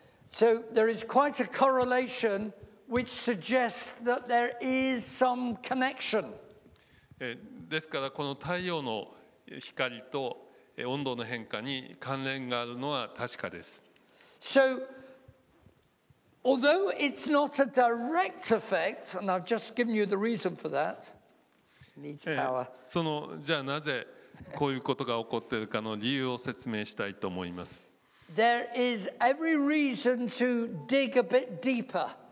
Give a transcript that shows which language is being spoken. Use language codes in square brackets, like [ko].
[en] So there is quite a correlation which suggests that there is some connection. [ja] ですからこの太陽の光と温度の変化に関連があるのは確かです。 [en] So,Although it's not a direct effect, and I've just given you the reason for that, needs power. [ja] そのじゃあなぜこういうことが起こっているかの理由を説明したいと思います。 [en] There is every reason to dig a bit deeper.